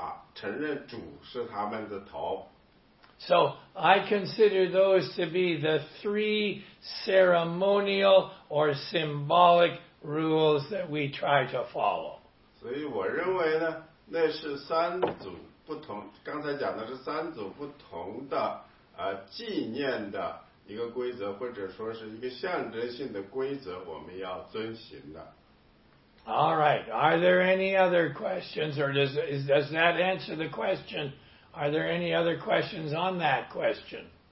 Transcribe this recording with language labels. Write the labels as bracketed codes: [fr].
[zh] 那个蒙头的，这里呢是我们承认主是男人的头，男人不蒙头是承认男人的头是主耶稣，然后女人蒙头了，他们是把他们的头盖上，把承认主是他们的头。 [en] So I consider those to be the three ceremonial or symbolic rules that we try to follow. [zh] 所以我认为呢。那是三组不同，刚才讲的是三组不同的纪念的一个规则，或者说是一个象征性的规则，我们要遵循的。 [en] All right. Are there any other questions, or does that answer the question? Are there any other questions on that question?